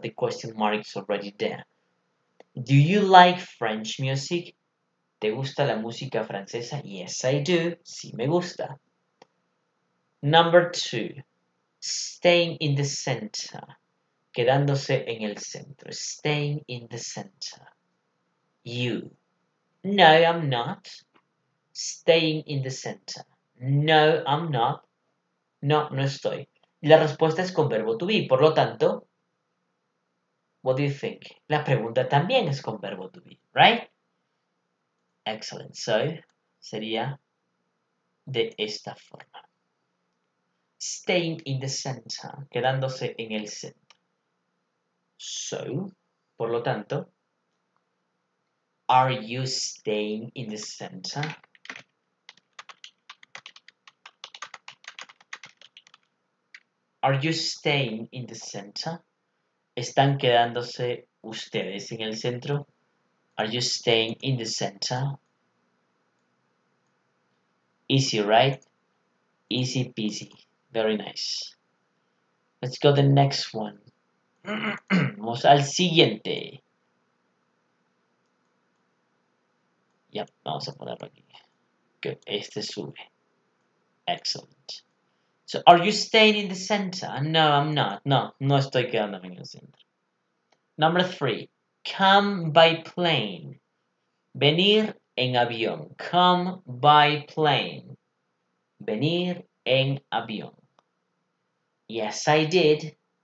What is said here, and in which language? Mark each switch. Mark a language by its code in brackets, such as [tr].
[en] The question mark is already there. Do you like French music? [es] ¿Te gusta la música francesa? [en] Yes, I do. [es] Sí, me gusta. [en] Number two. Staying in the center. [es] Quedándose en el centro. [en] Staying in the center. You. No, I'm not. Staying in the center. No, I'm not. [es] No, no estoy. La respuesta es con verbo to be. Por lo tanto, [en] what do you think? [es] La pregunta también es con verbo to be, [en] right? Excellent. [es] So, sería de esta forma. [en] Staying in the center. [es] Quedándose en el centro. [en] So, [es] por lo tanto, [en] are you staying in the center? Are you staying in the center? [es] ¿Están quedándose ustedes en el centro? [en] Are you staying in the center? Easy, right? Easy peasy. Very nice. Let's go to the next one. [es] Vamos al siguiente. Yep, vamos a poner aquí. Good. Este sube. Excellent. [en] So, are you staying in the center? No, I'm not. [es] No, no estoy quedándome en el centro. [en] Number three. Come by plane. [es] Venir en avión. [en] Come by plane. [es] Venir en avión. [en] Yes, I did.